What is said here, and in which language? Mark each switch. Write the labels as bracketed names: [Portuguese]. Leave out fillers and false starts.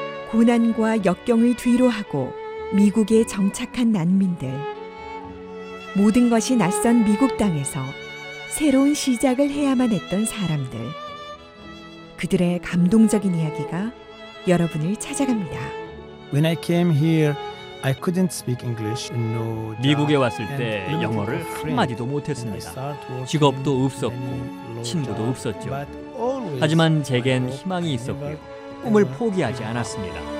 [Korean] 고난과 역경을 뒤로하고 미국에 정착한 난민들, 모든 것이 낯선 미국 땅에서 새로운 시작을 해야만 했던 사람들, 그들의 감동적인 이야기가 여러분을 찾아갑니다. [English] When I came here, I couldn't speak English. [Korean] 미국에 왔을 때 영어를 한마디도 못했습니다. 직업도 없었고 친구도 없었죠. 하지만 제겐 희망이 있었고 꿈을 포기하지 않았습니다.